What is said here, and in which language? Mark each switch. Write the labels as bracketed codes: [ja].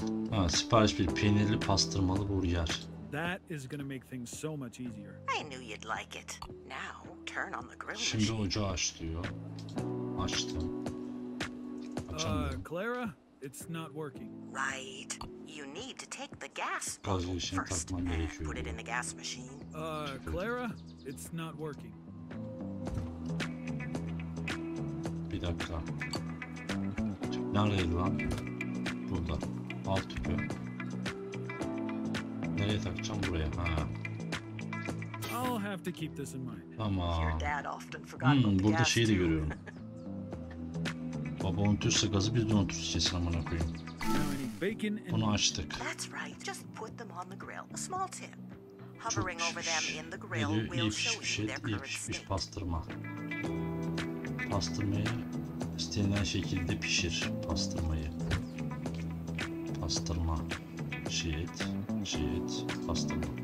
[tr] Ha, sipariş bir peynirli pastırmalı burger. [en] That is going to make things so much easier. I knew you'd like it. Now, turn on the grill. [tr] Şimdi ocağı aç diyor. Açtım. [en] Clara, it's not working. Right. You need to take the gas. [tr] Gazlaşım takman gerekiyor. [en] Put it in the gas machine. Clara, it's not working. [tr] Bir dakika. Neredeydi lan? Burada. Alt tüpü. Nereye takacağım buraya? Ha. [en] I'll have to keep this in mind. [tr] Tamam. Burada şeyi de görüyorum. Baba unutursa gazı biz de unutursa amına koyayım. Bunu açtık. [en] That's right. Just put them on the grill. A small tip. Hovering over them in the grill will show you their current state. [tr] Pastırma. Pastırmayı istenilen şekilde pişir. Pastırmayı. Pastırma. Şiit. Şiit. Pastırma.